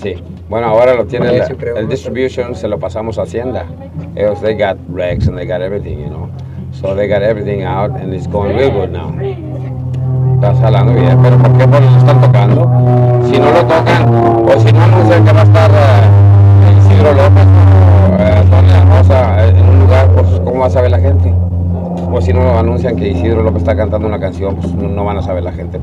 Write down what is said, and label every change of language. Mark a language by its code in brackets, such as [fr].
[es] Sí, bueno, ahora lo tiene el distribution, se lo pasamos a Hacienda. [en] Ellos, they got Rex and they got everything, you know. So they got everything out and it's going real good now. [es] Está jalando bien, pero ¿por qué por eso están tocando? Si no lo tocan, o si no, no sé qué va a estar Isidro López Tony La Rosa en un lugar, pues ¿cómo va a saber la gente? Pues si no lo anuncian que Isidro López está cantando una canción, pues no van a saber la gente.